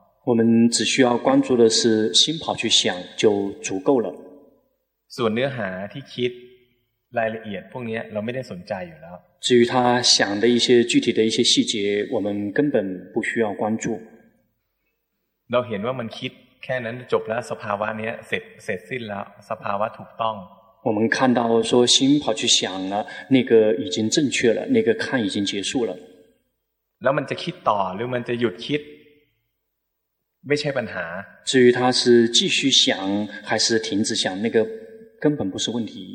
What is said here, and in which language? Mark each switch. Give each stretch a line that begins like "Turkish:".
Chinese: 我们只需要关注的是心跑去想就足够了
Thai: ส่วนเนื้อหาที่คิดรายละเอียดพวกนี้เราไม่ได้สนใจอยู่แล้ว
Chinese: 至于他想的一些具体的一些细节我们根本不需要关注
Thai: เราเห็นว่ามันคิดแค่นั้นจบแล้วสภาวะนี้เสร็จสิ้นแล้วสภาวะถูกต้อง
Chinese: 我们看到说心跑去想了那个已经正确了那个看已经结束了
Thai: แล้วมันจะคิดต่อหรือมันจะหยุดคิดไม่ใช่ปัญหา
Chinese: 至于他是继续想还是停止想那个根本不是问题